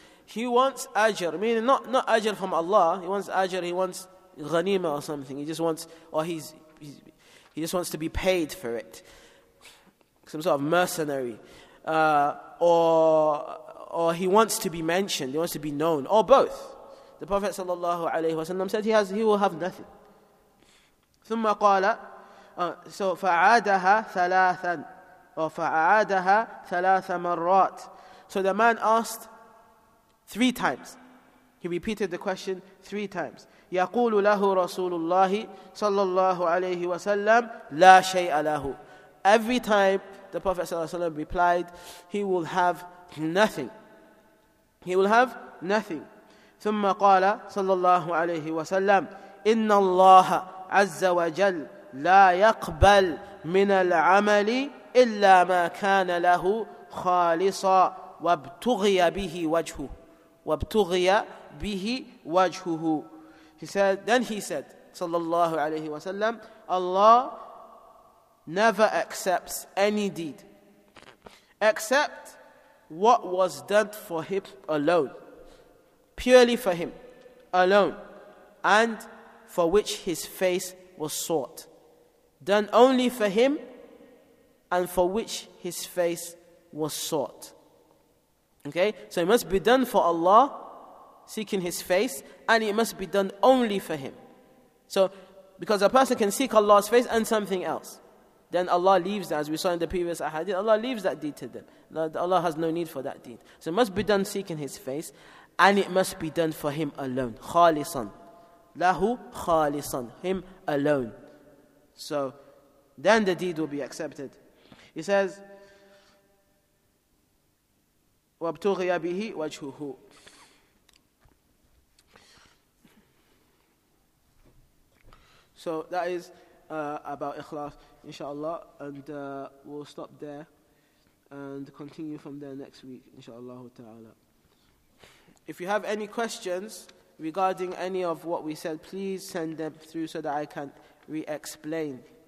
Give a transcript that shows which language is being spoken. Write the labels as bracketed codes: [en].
[en] He wants ajr, meaning not ajr from Allah. He wants ajr, he wants ghanima or something. He just wants to be paid for it. Some sort of mercenary. Or he wants to be mentioned, he wants to be known, or both. The Prophet ﷺ said he will have nothing. [ar] ثم قال, so فعادها ثلاثا, or فعادها ثلاث مرات. [en] So the man asked three times. He repeated the question three times. [ar] يقول له رسول الله صلى الله عليه وسلم لا شيء له. [en] Every time the Prophet ﷺ replied, he will have nothing. He will have nothing. [ar] ثم قال صلى الله عليه وسلم إن الله عز وجل لا يقبل من العمل إلا ما كان له خالصا وابتغي به وجهه وابتغي به وجهه. [en] Then he said صلى الله عليه وسلم, Allah never accepts any deed except what was done for him alone, purely for him alone, and for which his face was sought. Done only for him and for which his face was sought. Okay, so it must be done for Allah seeking his face, and it must be done only for him. So, because a person can seek Allah's face and something else, then Allah leaves that, as we saw in the previous ahadith, Allah leaves that deed to them. Allah has no need for that deed. So it must be done seeking his face, and it must be done for him alone. [ar] Khalisan. Lahu khalisan. [en] Him alone. So then the deed will be accepted. He says, [ar] وَابْتُغِيَ بِهِ وَجْهُهُ. [en] So that is about ikhlas, inshallah, and we'll stop there and continue from there next week, inshallah ta'ala. If you have any questions regarding any of what we said, please send them through so that I can re-explain.